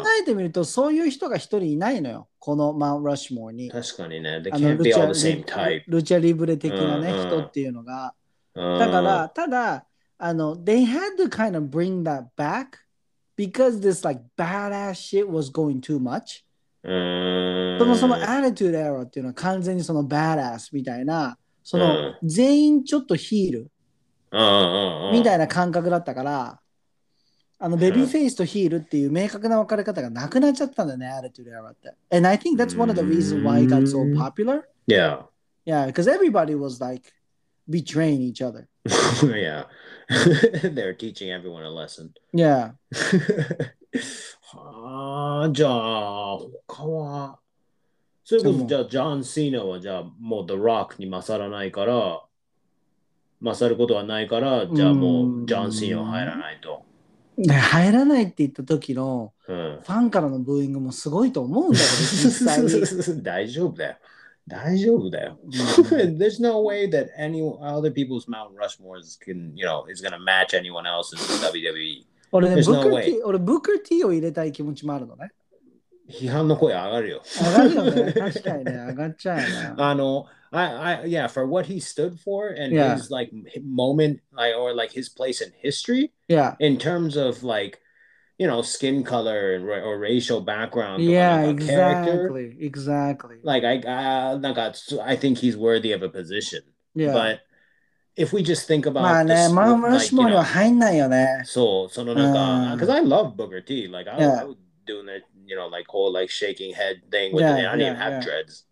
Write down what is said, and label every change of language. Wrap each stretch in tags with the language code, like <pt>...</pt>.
<ja>考えてみると、そういう人が一人いないのよ。この Mount Rushmore に。確かにね。</ja> <en>They can't be all the same type.</en> <ja>ルチャリブレ的な、ね、人っていうのが。だから、ただ、あの</ja> <en>they had to kind of bring that back because this like badass shit was going too much.</en> <ja>そのその attitude era っていうのは完全にその badass みたいなその全員ちょっとヒールみたいな感覚だったから、あのベビーフェイスとヒールっていう明確な分かれ方がなくなっちゃったんだね attitude era って。</ja> <en>And I think that's one of the reasons why it got so popular. Yeah. Yeah, because everybody was like betraying each other. yeah. They're teaching everyone a lesson. Yeah.</en> <ja>Ah, じゃあ他は。それこそじゃあ John Cena はじゃあもう The Rock に勝らないから、勝ることはないから、じゃあもう John Cena は入らないと。入らないって言った時のファンからのブーイングもすごいと思うんだけど実際に。大丈夫だよ。大丈夫だよ。</ja> <en>There's no way that any other people's Mount Rushmore can, you know, is gonna match anyone else in WWE.</en> <ja>俺ね、ブーカー T、俺ブーカー T を入れたい気持ちもあるのね。批判の声上がるよ。上がるよね。確かにね、上がっちゃうな。</ja> <en>あの、I for what he stood for and his like moment, or like his place in history. Yeah. In terms of like. You know, skin color or racial background. Yeah, exactly. Exactly. Like, I think he's worthy of a position. Yeah. But if we just think about this...</en> <ja>まあね、マウント・ラシモアには入んないよね。そう、そのなんか、</ja> <en>because I love Booker T. Like, I would do that, you know, like, whole, like, shaking head thing. With yeah, the, I didn't even have dreads.</en>